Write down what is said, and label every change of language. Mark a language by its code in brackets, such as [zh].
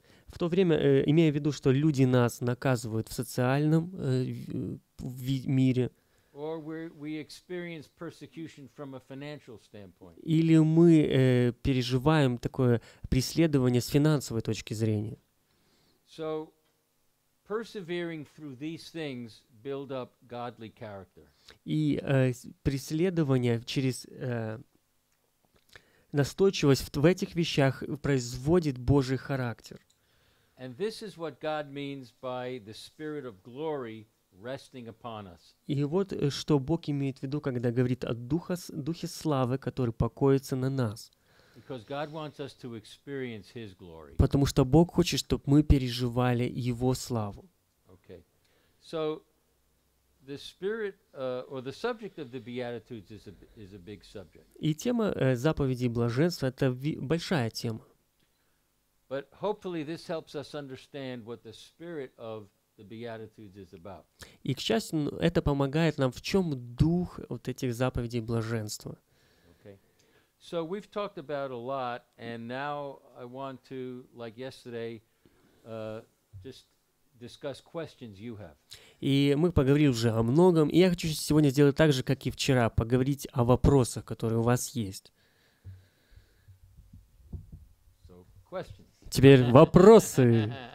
[ru] В то время, имея в виду, что люди нас наказывают в социальном мире. [en] Or we experience persecution from a financial standpoint. [ru] Или мы переживаем такое преследование с финансовой точки зрения. [en] So persevering through these things build up godly character. [ru] И преследование через настойчивость в этих вещах производит Божий характер. [en] And this is what God means by the Spirit of glory resting upon us. [ru] И вот что Бог имеет в виду, когда говорит о духе славы, который покоится на нас. [en] Because God wants us to experience His glory. [ru] Потому что Бог хочет, чтобы мы переживали Его славу. [en] Okay. So the spirit or the subject of the Beatitudes is a big subject. [ru] И тема заповедей блаженства — это большая тема. [en] But hopefully this helps us understand what the spirit of the Beatitudes is about. [ru] И, к счастью, это помогает нам, в чем дух вот этих заповедей блаженства. [en] So we've talked about a lot, and now I want to, like yesterday, just discuss questions you have. [ru] И мы поговорили уже о многом, и я хочу сегодня сделать так же, как и вчера, поговорить о вопросах, которые у вас есть. [en] So questions. [ru] Теперь вопросы.